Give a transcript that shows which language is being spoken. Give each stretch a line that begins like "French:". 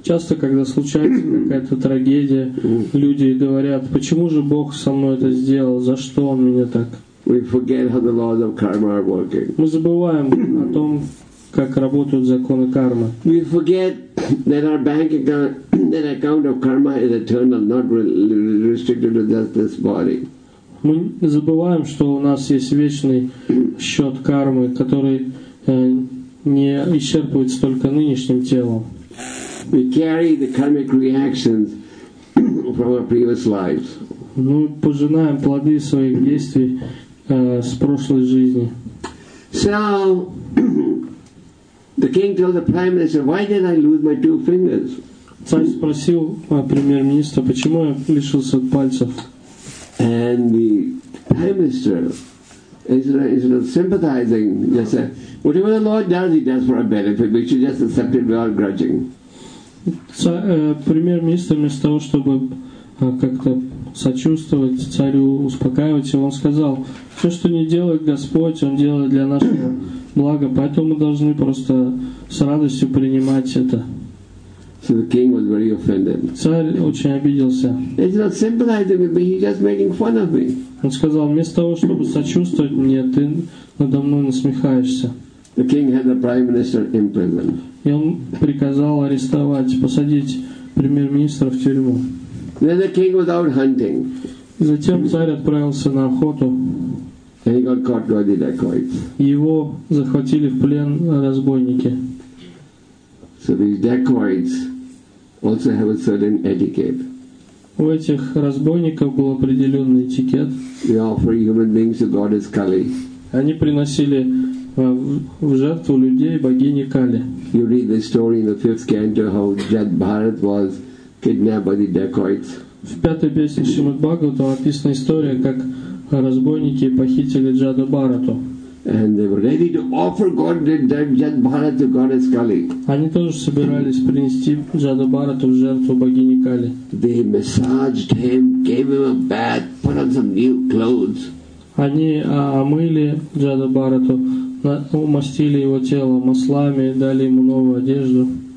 Russian: Часто, когда случается какая-то трагедия, люди говорят, почему же Бог со мной это сделал? За что он меня так?
English: We forget how the laws of karma are working.
Russian: Мы забываем о том, как работают законы кармы.
English: We forget that our bank account, that account of karma is eternal, not restricted to just this body.
Russian: Мы забываем, что у нас есть вечный счет кармы, который не исчерпывается только нынешним телом.
English: We carry the karmic reactions from our previous lives.
Russian: Мы пожинаем плоды своих действий с прошлой жизни.
English: So, the king told the prime minister, why did I lose my two fingers?
Russian: Царь спросил премьер-министра, почему я лишился пальцев?
English: And the prime minister is sympathizing. Just said, whatever the Lord does, he does for our benefit. We should just accept it without grudging.
Russian: Премьер-министр вместо того, чтобы как-то сочувствовать царю, успокаивать его, он сказал, все, что не делает Господь, он делает для нашего блага, поэтому мы должны просто с радостью принимать это.
English: So the king was very offended.
Russian: Царь очень обиделся.
English: He's not sympathizing with me, he's just making fun of me.
Russian: Он сказал, вместо того, чтобы сочувствовать мне, ты надо мной насмехаешься.
English: The king had the prime minister imprisoned.
Russian: И он приказал арестовать, посадить премьер-министра в тюрьму.
English: Then the king was out hunting.
Russian: Затем царь отправился на охоту.
English: And he got caught by the dacoits.
Russian: Его захватили в плен разбойники.
English: So these dacoits also have a certain etiquette.
Russian: У этих разбойников был определенный этикет.
English: They offer human beings to goddess Kali.
Russian: Они приносили в жертву людей богине Кали.
English: You read the story in the fifth canto how Jad Bharat was kidnapped by the dacoits.
Russian: В пятой песне Шримад Бхагаватам описана история, как разбойники похитили Джаду Бхарату.
English: And they were ready to offer God Jad Bharat to goddess Kali.
Russian: Они тоже собирались принести Джаду Бхарату в жертву богине Кали.
English: They massaged him, gave him a bath, put on some new clothes.
Russian: Они омыли Джаду Бхарату, умастили его тело маслами, дали ему новую одежду.